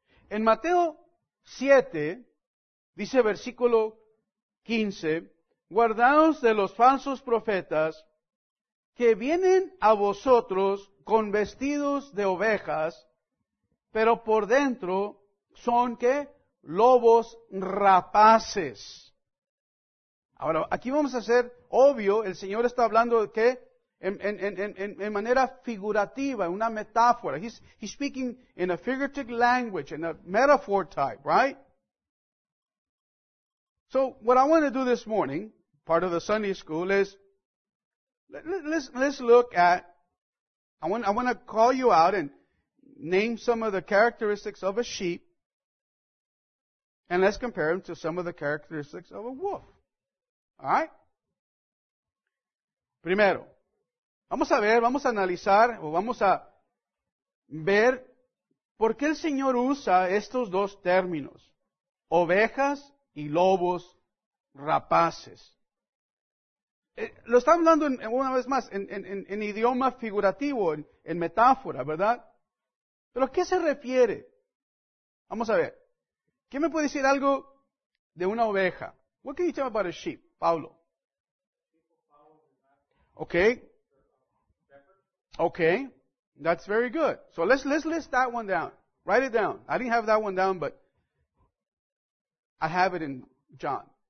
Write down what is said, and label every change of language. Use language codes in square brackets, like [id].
[es] En Mateo 7, dice versículo 15, guardaos de los falsos profetas que vienen a vosotros con vestidos de ovejas, pero por dentro son, ¿qué? Lobos rapaces. Ahora, aquí vamos a hacer obvio, el Señor está hablando de qué, en manera figurativa, una metáfora. [en] He's speaking in a figurative language, in a metaphor type, right? So, what I want to do this morning, part of the Sunday school, is let's look at, I want to call you out and name some of the characteristics of a sheep, and let's compare them to some of the characteristics of a wolf. All right. [es] Primero, vamos a ver, vamos a analizar o vamos a ver por qué el Señor usa estos dos términos, ovejas y lobos rapaces. Lo está hablando una vez más en idioma figurativo, en metáfora, ¿verdad? Pero ¿a qué se refiere? Vamos a ver. ¿Quién me puede decir algo de una oveja? [en] What can you tell about a sheep? Pablo. Okay. Okay. That's very good. So let's list that one down. Write it down. I didn't have that one down, but I have it in John.